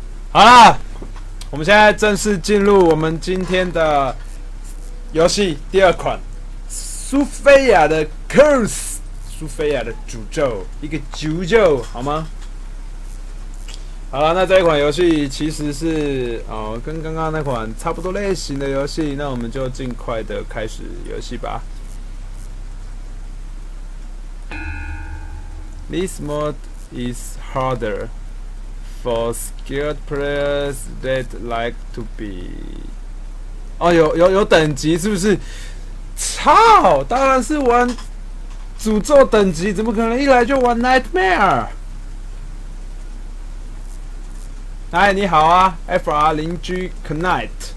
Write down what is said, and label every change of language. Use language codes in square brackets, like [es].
[zh] 好啦，我们现在正式进入我们今天的游戏第二款，苏菲亚的 Curse， 苏菲亚的诅咒，一个诅咒，好吗？好了，那这一款游戏其实是跟刚刚那款差不多类型的游戏，那我们就尽快的开始游戏吧。 [en] This mod is harder for skilled players that like to be。 [zh] 哦，有等级是不是？操，当然是玩诅咒等级，怎么可能一来就玩 Nightmare？哎，你好啊 ，FR 邻居 Knight。